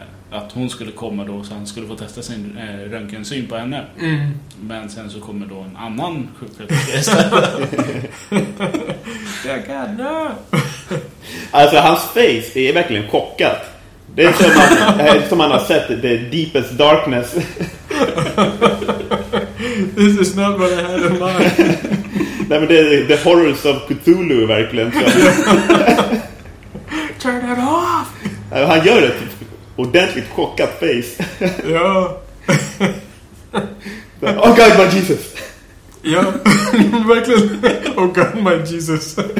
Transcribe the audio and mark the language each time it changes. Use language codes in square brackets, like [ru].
[sv] Att hon skulle komma då, så han skulle få testa sin röntgensyn på henne. Mm. Men sen så kommer då en annan sjuksköterska. Jag kan dö. Alltså hans face är verkligen chockat. Det är som att han har sett [en] the deepest darkness. This is not what I had in mind. [sv] Nej, men det är [en] the horrors of Cthulhu [sv] verkligen. [en] Turn it off! [sv] Han gör det ordentligt chockat face. Ja. [en] Oh god, my Jesus. [sv] Ja, verkligen. [en] Oh god, my Jesus.